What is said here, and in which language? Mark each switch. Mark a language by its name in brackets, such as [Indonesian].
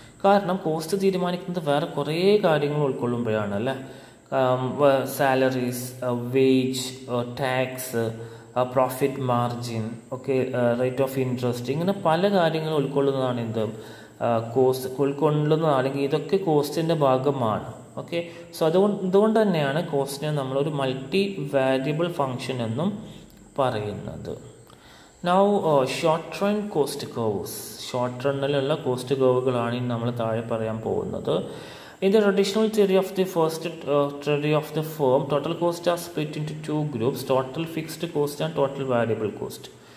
[Malayalam] കാരണം കോസ്റ്റ് തീരുമാനിക്കുന്നത് വേറെ കുറേ കാര്യങ്ങൾ ഉൾക്കൊള്ളുമ്പോഴാണ് അല്ലേ, salaries, wage, tax, profit margin, ഒക്കെ റേറ്റ് ഓഫ് ഇൻട്രസ്റ്റ്, ഇങ്ങനെ പല കാര്യങ്ങളും ഉൾക്കൊള്ളുന്നതാണ് എന്ത് കോസ്റ്റ് ഉൾക്കൊള്ളുന്നതാണെങ്കിൽ ഇതൊക്കെ കോസ്റ്റിൻ്റെ ഭാഗമാണ്. ഓക്കെ, സോ അതുകൊണ്ട് തന്നെയാണ് കോസ്റ്റിനെ നമ്മൾ ഒരു മൾട്ടി വാരിയബിൾ ഫങ്ഷൻ എന്നും പറയുന്നത്. [English] Now, short run cost curves. [Malayalam] Short run ഉള്ള കോസ്റ്റ് കർവുകളാണ് ഇനി നമ്മൾ താഴെ പറയാൻ പോകുന്നത്. [English] In the traditional theory of the first theory of the firm total cost are split into two groups, total fixed cost and total variable cost.